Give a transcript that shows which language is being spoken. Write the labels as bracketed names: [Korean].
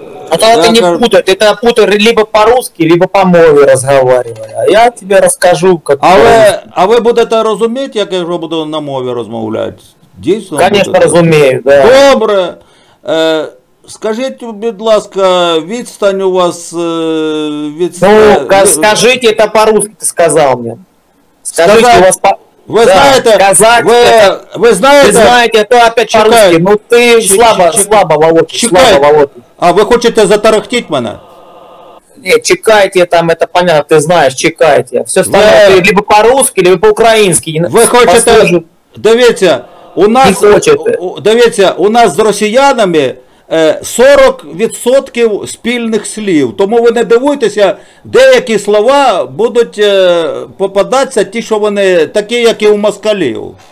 [Russian] это я не путает, это путает либо по-русски, либо по мове разговаривая. Я тебе расскажу, как. А вы будете [Ukrainian] розуміти, як я вже буду на мові розмовляти? Дійсно? [Russian] Конечно, розумію, да. [Ukrainian] Добре. Скажіть, будь ласка, відстань у вас від. [Russian] Скажіть это по-русски, ты сказал мне. Скажите, у вас по. Ви, да, знаете, казать, вы знаете, это опять по-русски. Ну ты слабо, Володь. А вы хотите затарахтить меня? Нет, чекайте там, это понятно, ты знаешь, чекайте. Все остальное, либо по-русски, либо по-украински. Вы хотите, [Ukrainian] дивіться, у нас, дивіться, у нас с россиянами 40% спільних слів. Тому ви не дивуйтеся, деякі слова будуть попадатися, ті, що вони такі, як і у москалів.